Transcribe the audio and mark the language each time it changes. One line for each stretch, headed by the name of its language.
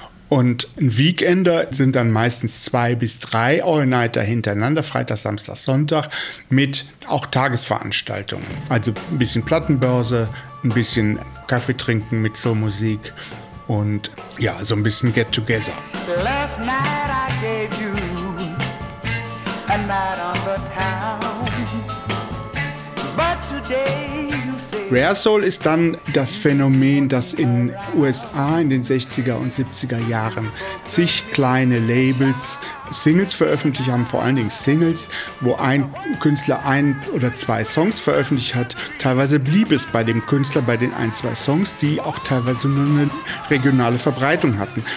German: Und ein Weekender sind dann meistens 2 bis 3 All-Nighter hintereinander, Freitag, Samstag, Sonntag, mit auch Tagesveranstaltungen. Also ein bisschen Plattenbörse, ein bisschen Kaffee trinken mit so Musik und ja, so ein bisschen Get-Together.
English: Last night I gave you a night on the town, but today you say.
German: Rare Soul ist dann das Phänomen, das in USA in den 60er und 70er Jahren zig kleine Labels Singles veröffentlicht haben, vor allen Dingen Singles, wo ein Künstler ein oder zwei Songs veröffentlicht hat. Teilweise blieb es bei dem Künstler bei den ein, zwei Songs, die auch teilweise nur eine regionale Verbreitung hatten.